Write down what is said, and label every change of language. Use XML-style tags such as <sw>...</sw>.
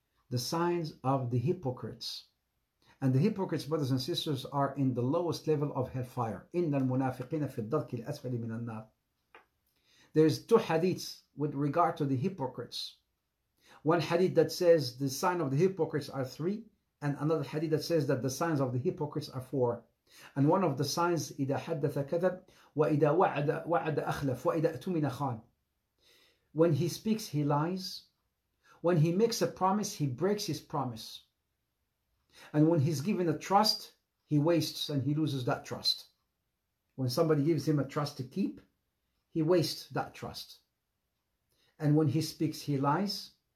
<en>The signs of the hypocrites. And the hypocrites, brothers and sisters, are in the lowest level of hellfire.</en> <ar>Inna al-munafiqina fi al-darki al-asfali min al-nar.</ar> <en>There's two hadiths with regard to the hypocrites. One hadith that says the sign of the hypocrites are three. And another hadith that says that the signs of the hypocrites are four. And one of the signs,</en> <ar>إِذَا حَدَّثَ كَذَبْ وَإِذَا وَعَدَ أَخْلَفْ وَإِذَا أَتُمِنَ خَانْ.</ar> <en>When he speaks, he lies. When he makes a promise, he breaks his promise. And when he's given a trust, he wastes and he loses that trust. When somebody gives him a trust to keep, he wastes that trust. And when he speaks, he lies.</en>